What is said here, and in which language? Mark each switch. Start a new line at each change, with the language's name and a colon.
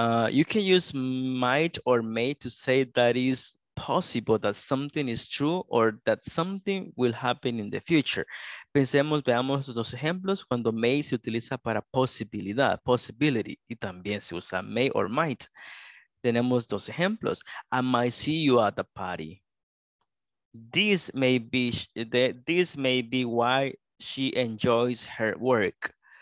English: You can use might or may to say that is possible that something is true or that something will happen in the future.
Spanish: Pensemos, veamos dos ejemplos cuando may se utiliza para posibilidad, possibility, y también se usa may or might. Tenemos dos ejemplos.
English: I might see you at the party. This may be why she enjoys her work.